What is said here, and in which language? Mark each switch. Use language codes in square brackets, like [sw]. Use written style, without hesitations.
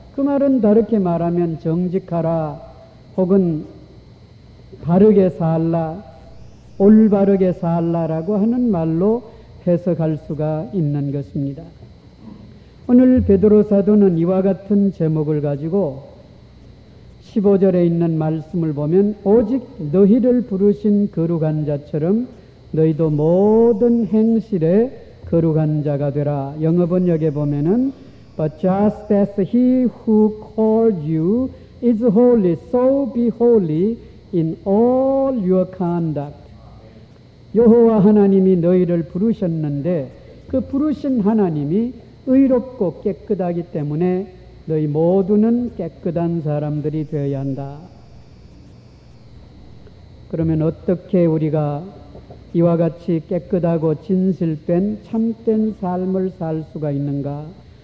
[ko] 그 말은 다르게 말하면 정직하라 혹은 바르게 살라 올바르게 살라라고 하는 말로 해석할 수가 있는 것입니다. 오늘 베드로 사도는 이와 같은 제목을 가지고 15절에 있는 말씀을 보면 오직 너희를 부르신 거룩한 자처럼 너희도 모든 행실에 거룩한 자가 되라. 영어 번역에 보면은 [en] But just as he who called you is holy, so be holy in all your conduct. [ko] 여호와 하나님이 너희를 부르셨는데 그 부르신 하나님이 의롭고 깨끗하기 때문에 너희 모두는 깨끗한 사람들이 되어야 한다. 그러면 어떻게 우리가 이와 같이 깨끗하고 진실된 참된 삶을 살 수가 있는가?